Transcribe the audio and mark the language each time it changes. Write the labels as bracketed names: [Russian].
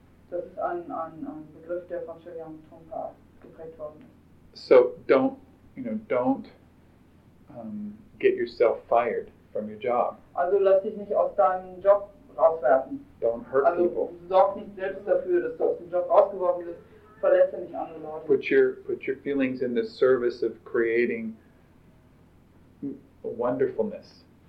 [German] Das ist ein Begriff, der von Chogyam Trungpa geprägt worden ist. [English] So don't get yourself fired from your job. [German] Also lass dich nicht aus deinem Job rauswerfen. [English] Don't hurt [German] also, [English] people. [German] Sorg nicht selbst dafür, dass du aus dem Job rausgeworfen bist. Verletze nicht andere Leute. [English] Put your feelings in the service of creating wonderfulness.